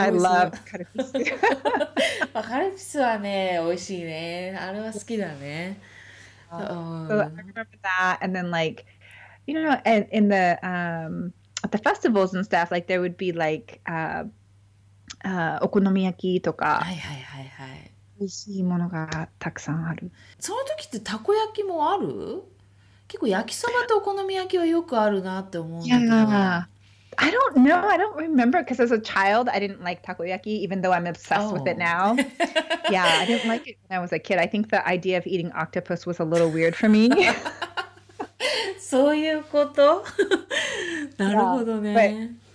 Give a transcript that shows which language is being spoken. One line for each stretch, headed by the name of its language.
English: I love karu piece.
Japanese: Karu piece はね美味しいね。あれは好きだね。
English: So I remember that, and then like, you know, and in the at the festivals and stuff, like there would be like.
Japanese: お好み焼きとか、はいはいはいはい、美味しいものがたくさんある。その時ってたこ焼きもある？結構焼きそばとお好み焼きはよくあるなって思うんだけど。
English: I don't know. I don't remember because as a child, I didn't like takoyaki, even though I'm obsessed with it now. Yeah, I didn't like it when I was a kid. I think the idea of eating octopus was a little weird for me.
Japanese: そういうこと？なるほどね。